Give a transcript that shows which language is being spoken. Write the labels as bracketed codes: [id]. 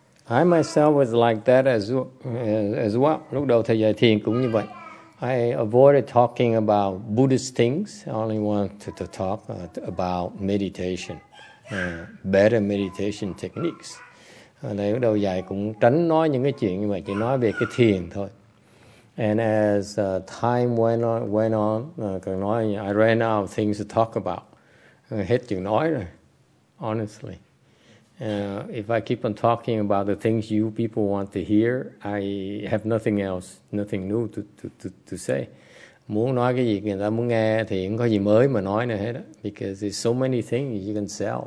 [en] I myself was like that as well. [vi] Lúc đầu thầy dạy thiền cũng như vậy. [en] I avoided talking about Buddhist things. I only wanted to talk about meditation, better meditation techniques. [vi] Thầy lúc đầu dạy cũng tránh nói những cái chuyện như vậy, chỉ nói về cái thiền thôi. [en] And as time went on, [vi] càng nói, [en] I ran out of things to talk about. [vi] Hết chuyện nói rồi, [en] honestly. If I keep on talking about the things you people want to hear, I have nothing else, nothing new to say. [vi] Muốn nói cái gì người ta muốn nghe thì không có gì mới mà nói nữa hết. [en] Because there's so many things you can sell.